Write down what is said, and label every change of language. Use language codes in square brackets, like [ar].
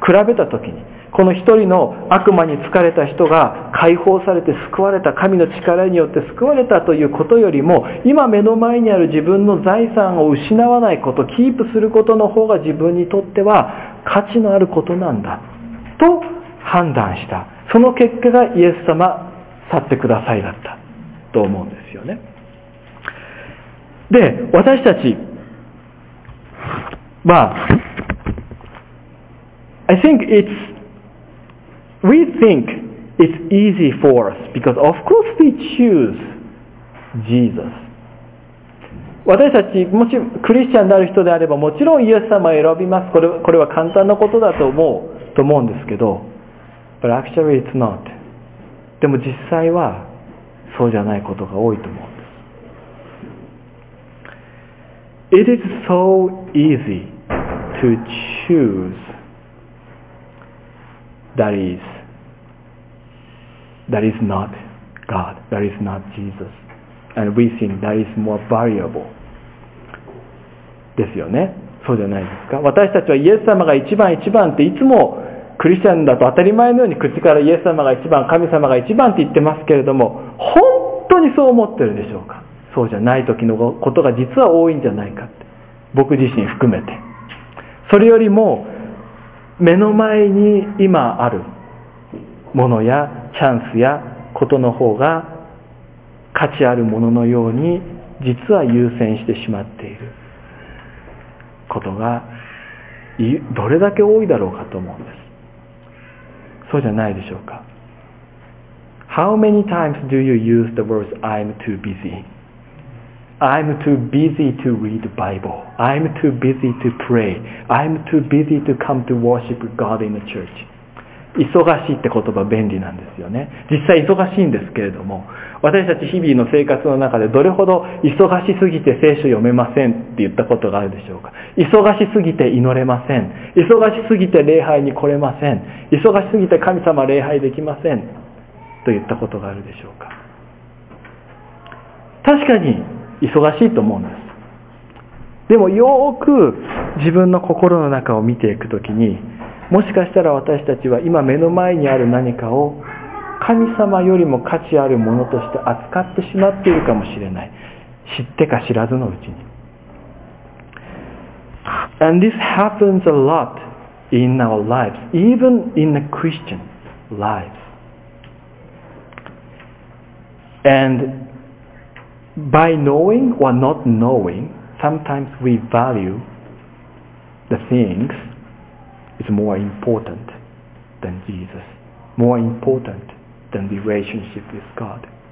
[ja] 比べたときに、この一人の悪魔に疲れた人が解放されて救われた、神の力によって救われたということよりも、今目の前にある自分の財産を失わないこと、キープすることの方が自分にとっては価値のあることなんだと判断した。その結果がイエス様去ってくださいだったと思うんですよね。で、私たちは、まあ、 [en] I think it'sWe think it's easy for us because of course we choose Jesus. [ja] 私たち、もしクリスチャンである人であればもちろんイエス様を選びます。これは簡単なことだと思うんですけど、 [en] But actually it's not. [ja] でも実際はそうじゃないことが多いと思うんです。 [en] It is so easy to chooseThat is not God. That is not Jesus. And we think that is more valuable. [ja] ですよね。そうじゃないですか。私たちはイエス様が一番一番っていつもクリスチャンだと当たり前のように口からイエス様が一番、神様が一番って言ってますけれども、本当にそう思ってるでしょうか。そうじゃない時のことが実は多いんじゃないかって。僕自身含めて。それよりも、目の前に今あるものやチャンスやことの方が価値あるもののように実は優先してしまっていることがどれだけ多いだろうかと思うんです。そうじゃないでしょうか。 [en] How many times do you use the words I'm too busy? I'm too busy to read the Bible. I'm too busy to pray. I'm too busy to come to worship God in the church. [ja] 忙しいって言葉便利なんですよね。実際忙しいんですけれども、私たち日々の生活の中でどれほど忙しすぎて聖書読めませんって言ったことがあるでしょうか。忙しすぎて祈れません、忙しすぎて礼拝に来れません、忙しすぎて神様礼拝できませんと言ったことがあるでしょうか。確かに忙しいと思うんです。でもよーく自分の心の中を見ていくときに、もしかしたら私たちは今目の前にある何かを神様よりも価値あるものとして扱ってしまっているかもしれない。知ってか知らずのうちに。 [en] And this happens a lot in our lives, even in the Christian lives. And by knowing or not knowing, sometimes we value the thingsIt's more important than Jesus, more important than the relationship with God.